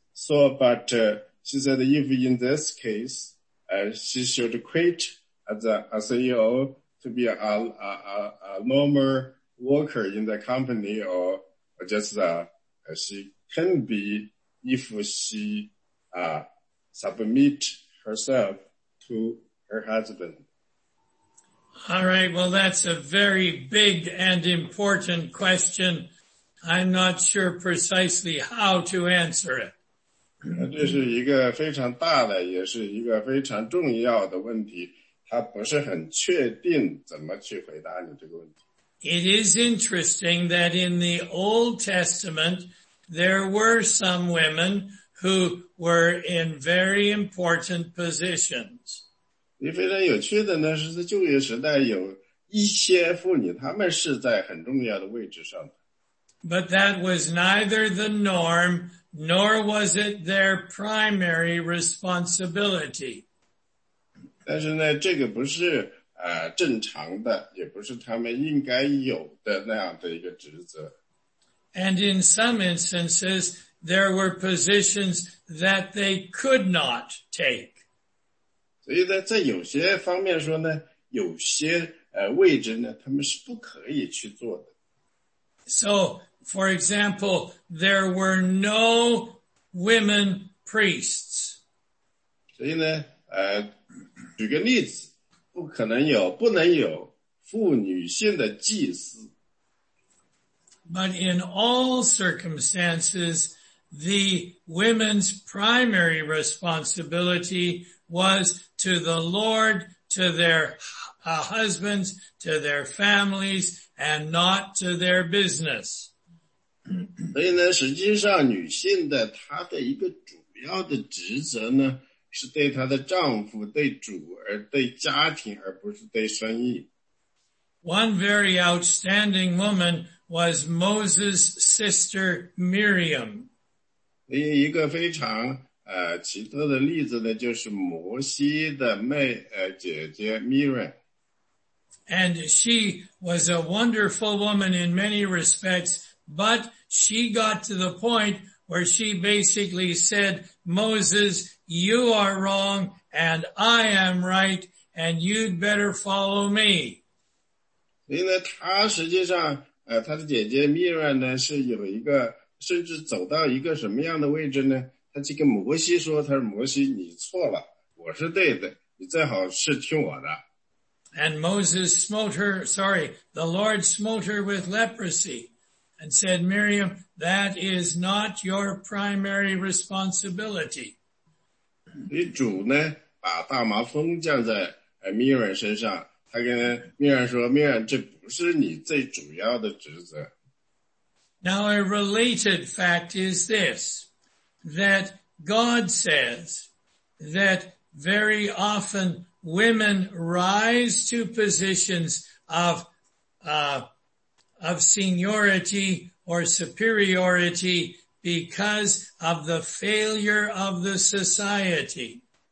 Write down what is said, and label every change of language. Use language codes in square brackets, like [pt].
[en] So, but, she said if in this case, she should quit as a CEO to be a normal worker in the company or just, she can be if she, submit herself to her husband. All right. Well, that's a very big and important question. I'm not sure precisely how to answer it. [zh] 这是一个非常大的，也是一个非常重要的问题。他不是很确定怎么去回答你这个问题。 [en] It is interesting that in the Old Testament, there were some women who were in very important positions. [zh] 非常有趣的呢，是在旧约时代有一些妇女，她们是在很重要的位置上的。 [en] But that was neither the norm, nor was it their primary responsibility. [zh] 但是呢，这个不是正常的，也不是他们应该有的那样的一个职责。 [en] And in some instances, there were positions that they could not take. [zh] 所以呢，在有些方面说呢，有些位置呢，他们是不可以去做的。 [en] So,For example, there were no women priests. [zh] 所以呢，举个例子，不能有妇女性的祭司。 [en] But in all circumstances, the women's primary responsibility was to the Lord, to their husbands, to their families, and not to their business. [zh] 所以呢，实际上女性的她的一个主要的职责呢，是对她的丈夫、对主，而对家庭，而不是对生意。 [en] One very outstanding woman was Moses' sister Miriam. [zh] 另一个非常奇特的例子呢，就是摩西的妹姐姐 Miriam。 [en] And she was a wonderful woman in many respects. But she got to the point where she basically said, Moses, you are wrong, and I am right, and you'd better follow me. [zh] 所以呢，她实际上，她的姐姐米拉呢，是有一个，甚至走到一个什么样的位置呢？她去跟摩西说，她说，摩西，你错了，我是对的，你最好是听我的。 [en] And Moses smote her, sorry, the Lord smote her with leprosy. And said, Miriam, that is not your primary responsibility. [zh] 所以主呢，把大麻风降在米尔身上。他跟米尔说，米尔，这不是你最主要的职责。 [en] Now a related fact is this, that God says that very often women rise to positions of seniority or superiority because of the failure of the society.